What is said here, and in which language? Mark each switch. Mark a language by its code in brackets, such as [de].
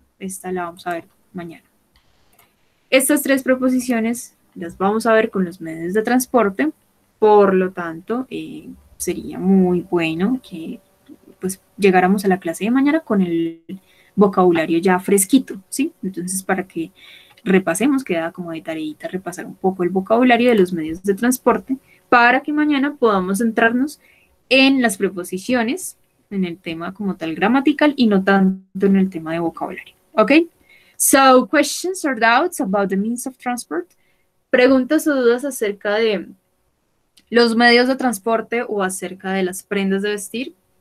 [es] Esta la vamos a ver mañana. Estas tres preposiciones las vamos a ver con los medios de transporte, por lo tanto, sería muy bueno que pues llegáramos a la clase de mañana con el vocabulario ya fresquito, ¿sí? Entonces, para que repasemos, queda como de tareita repasar un poco el vocabulario de los medios de transporte para que mañana podamos centrarnos en las preposiciones, en el tema como tal gramatical y no tanto en el tema de vocabulario, ¿ok? [en] So, questions or doubts about the means of transport? [es] Preguntas o dudas acerca de los medios de transporte o acerca de las prendas de vestir.